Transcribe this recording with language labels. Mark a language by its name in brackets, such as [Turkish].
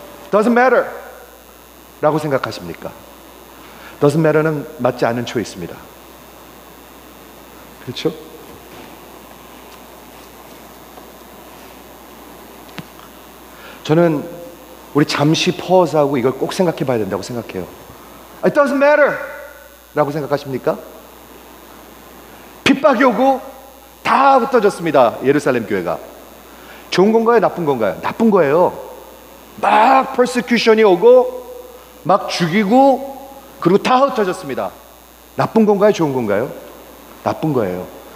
[English] Doesn't matter [Korean] 라고 생각하십니까? [English] Doesn't matter는 [Korean] 맞지 않은 초이스입니다. 그렇죠? 저는 우리 잠시 퍼즈하고 이걸 꼭 생각해 봐야 된다고 생각해요. [English] It doesn't matter [Korean] 라고 생각하십니까? 핍박이 오고 다 흩어졌습니다. 예루살렘 교회가 좋은 건가요? 나쁜 건가요? 나쁜 거예요. 막 persecution이 오고 막 죽이고 그리고 다 흩어졌습니다. 나쁜 건가요? 좋은 건가요? 나쁜 거예요.